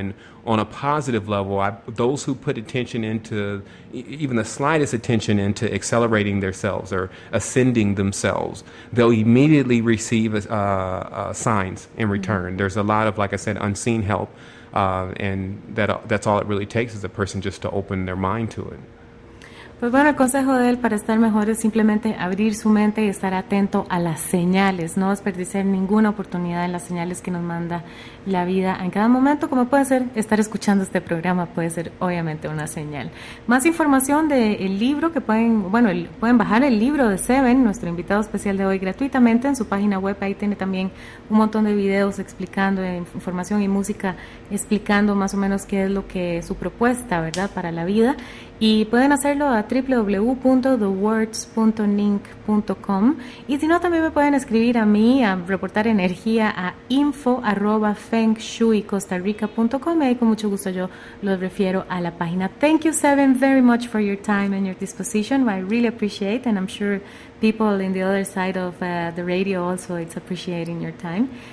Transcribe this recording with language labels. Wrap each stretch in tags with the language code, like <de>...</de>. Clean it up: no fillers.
<en>And on a positive level, those who put attention into, even the slightest attention into accelerating themselves or ascending themselves, they'll immediately receive signs in return. Mm-hmm. There's a lot of, like I said, unseen help, and that's all it really takes is a person just to open their mind to it.</en> <es>Pues bueno, el consejo de él para estar mejor es simplemente abrir su mente y estar atento a las señales, no desperdiciar ninguna oportunidad en las señales que nos manda la vida en cada momento, como puede ser estar escuchando este programa, puede ser obviamente una señal. Más información del libro que pueden bajar el libro de Seven, nuestro invitado especial de hoy, gratuitamente en su página web. Ahí tiene también un montón de videos explicando, información y música explicando más o menos qué es lo que es su propuesta, ¿verdad?, para la vida. Y pueden hacerlo a www.thewords.ninc.com. Y si no, también me pueden escribir a mí, a reportar energía a info@fengshuicostarica.com. Y ahí con mucho gusto yo los refiero a la página.</es> <en>Thank you, Seven, very much for your time and your disposition. I really appreciate, and I'm sure people in the other side of the radio also, it's appreciating your time.</en>